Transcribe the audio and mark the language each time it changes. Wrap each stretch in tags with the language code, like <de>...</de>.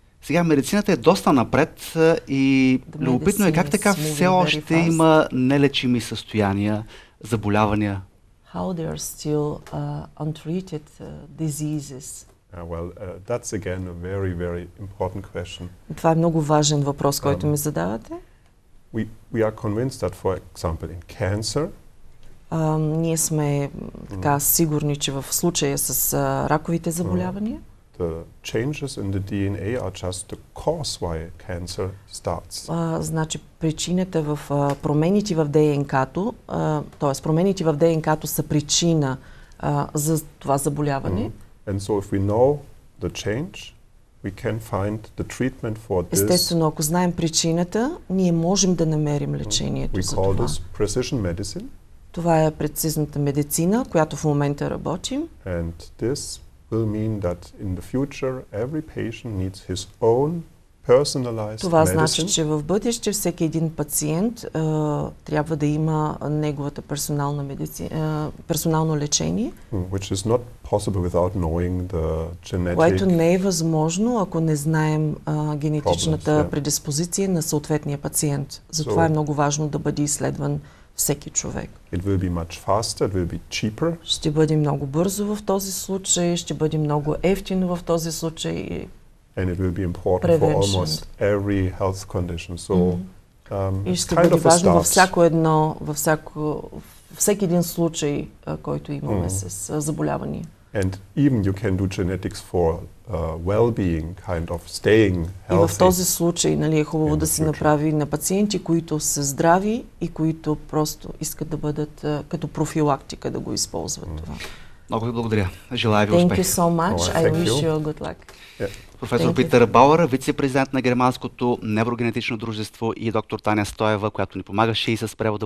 <bg>Сега медицината е доста напред и любопитно е как така все още има нелечими състояния, заболявания.</bg> <en>How there are still untreated diseases. That's again a very, very important question.</en> <bg>Това е много важен въпрос, който ми задавате.</bg> <en>We are convinced that, for example, in cancer,</en> <bg>ние сме така сигурни, че в случая с раковите заболявания,</bg> <en>the changes in the DNA are just the cause why cancer starts.</en> <bg>Значи причината в промените в ДНК-то, тоест промените в ДНК-то са причина за това заболяване.</bg> <en>And so if we know the change, we can find the treatment for this.</en> <bg>Естествено, ако знаем причината, ние можем да намерим лечението за това.</bg> <en>We call this precision medicine.</en> <bg>Това е прецизната медицина, която в момента работим.</bg> <en>And this will mean that in the future every patient needs his own personalized medicine.</en> <bg>Това значи, че в бъдеще всеки един пациент трябва да има неговата персонална медицина, персонално лечение.</bg> <en>Which is not possible without knowing the genetic.</en> <bg>Което не е възможно, ако не знаем генетичната предиспозиция на съответния пациент. Затова е много важно да бъде изследван всеки човек.</bg> <en>It will be much faster, it will be cheaper.</en> <bg>Ще бъде много бързо в този случай, ще бъде много евтино в този случай.</bg> <en>And it will be important prevention for almost every health condition. So,</en> <bg>и ще бъде важно във всяко едно, всеки един случай, който имаме с заболявания.</bg> <en>And even you can do genetics for well-being, kind of staying healthy.</en> <bg>И в този случай, нали, е хубаво да се направи на пациенти, които са здрави и които просто искат да бъдат като профилактика да го използват това. Много ви благодаря. Желая ви успех.</bg> <en>Thank you so much. I wish you good luck.</en> <bg>Професор Питър Бауър, вице-президент на Германското неврогенетично дружество, и доктор Таня Стоева, която ни помагаше и с превода.</bg>